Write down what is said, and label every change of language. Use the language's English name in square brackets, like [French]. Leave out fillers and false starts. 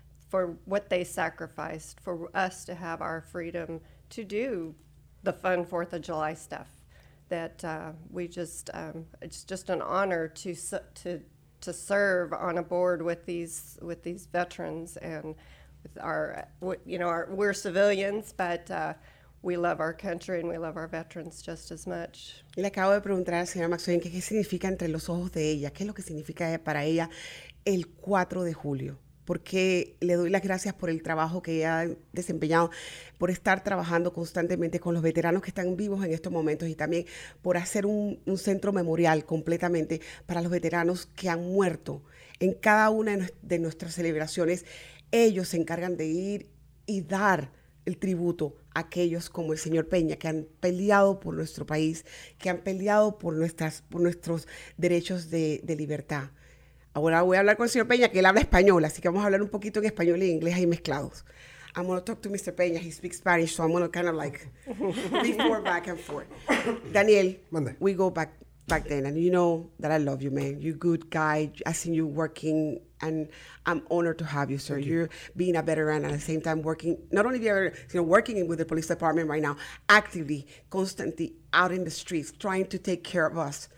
[English] for what they sacrificed for us to have our freedom to do the fun 4th of July stuff, that it's just an honor to serve on a board with these veterans. And we're civilians, but we love our country and we love our veterans just as much. [Spanish] Y le acabo de preguntar a la señora McSwain qué significa entre los ojos de ella, qué es lo que significa para ella el 4 de julio. Porque le doy las gracias por el trabajo que ella ha desempeñado, por estar trabajando constantemente con los veteranos que están vivos en estos momentos y también por hacer un centro memorial completamente para los veteranos que han muerto. En cada una de nuestras celebraciones, ellos se encargan de ir y dar el tributo a aquellos como el señor Peña, que han peleado por nuestro país, que han peleado por nuestros derechos de libertad. Ahora voy a hablar con el señor Peña, que él habla español, así que vamos a hablar un poquito en español y en inglés ahí mezclados. [English] I'm going to talk to Mr. Peña. He speaks Spanish, so I'm going to kind of like be forward, back and forth. Daniel, Monday. We go back then, and you know that I love you, man. You're a good guy. I've seen you working, and I'm honored to have you, sir. You. You're being a veteran, and at the same time working, not only being a veteran, you know, working with the police department right now, actively, constantly out in the streets, trying to take care of us.